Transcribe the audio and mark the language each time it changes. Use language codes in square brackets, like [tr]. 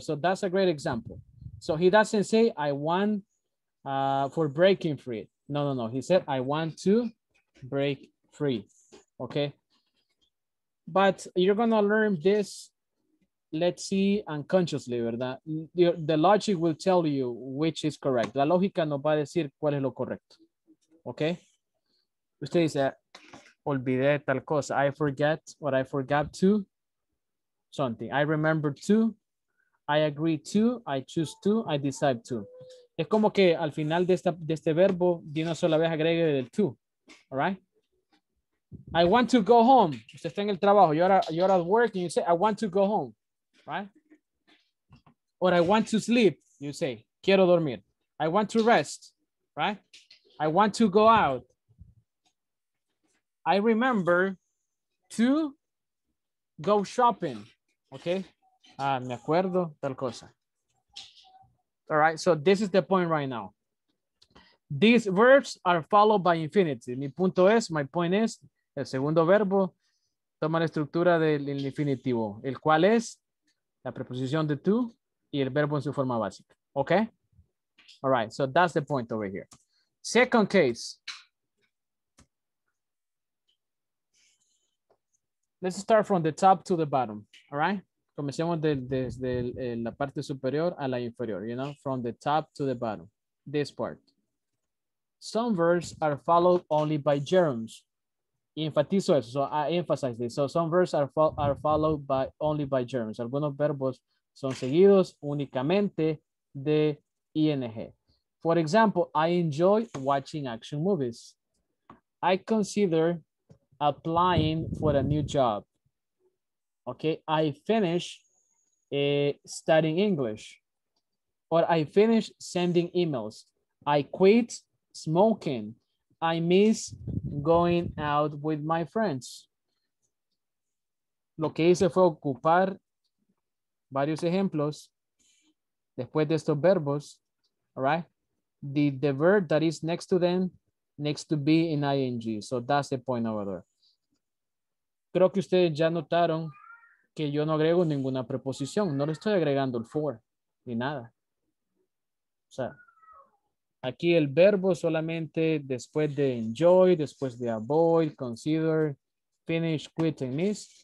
[en] So that's a great example. So he doesn't say, I want for breaking free. No, no, no. He said, I want to break free. Okay. But you're going to learn this, let's see, unconsciously, ¿verdad? The logic will tell you which is correct. [es] La lógica nos va a decir cuál es lo correcto. Okay. Usted dice, olvidé tal cosa. [en] I forget what I forgot to something. I remember to. I agree to. I choose to. I decide to. [es] Es como que al final de este verbo, de una sola vez agregue el to. [en] All right? I want to go home. [es] Usted está en el trabajo. [en] You're at work and you say, I want to go home. Right? Or I want to sleep. You say, [es] quiero dormir. [en] I want to rest. Right? I want to go out. I remember to go shopping, okay? [es] Me acuerdo tal cosa. [en] All right, so this is the point right now. These verbs are followed by infinitive. My point is, [es] el segundo verbo toma la estructura del infinitivo, el cual es la preposición de to y el verbo en su forma básica, okay? [en] All right, so that's the point over here. Second case. Let's start from the top to the bottom, all right? [es] Comencemos desde la parte superior a la inferior, [en] you know, from the top to the bottom, this part. Some verbs are followed only by gerunds. [es] Enfatizo eso, [en] so I emphasize this. So some verbs are followed by only by gerunds. [es] Algunos verbos son seguidos únicamente de ing. [en] For example, I enjoy watching action movies. I consider applying for a new job. Okay, I finish studying English. Or I finish sending emails. I quit smoking. I miss going out with my friends. [es] Lo que hice fue ocupar varios ejemplos después de estos verbos. [en] All right, the verb that is next to them needs to be in ing. So that's the point over there. [es] Creo que ustedes ya notaron que yo no agrego ninguna preposición. No le estoy agregando el for ni nada. O sea, aquí el verbo solamente después de enjoy, después de avoid, consider, finish, quit, and miss.